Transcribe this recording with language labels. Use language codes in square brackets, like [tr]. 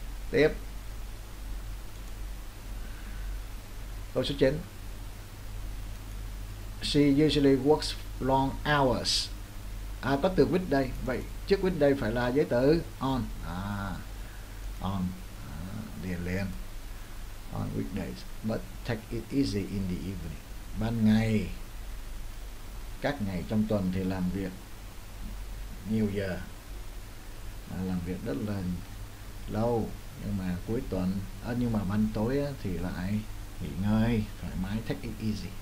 [vi] Tiếp câu số 9. [en] She usually works long hours. [vi] À, có từ weekday, vậy trước weekday phải là giới từ on. On liền liền. [en] On weekdays, but take it easy in the evening. [vi] Ban ngày, các ngày trong tuần thì làm việc nhiều giờ, làm việc rất là lâu, nhưng mà cuối tuần, nhưng mà ban tối thì lại nghỉ ngơi thoải mái. [en] Take it easy.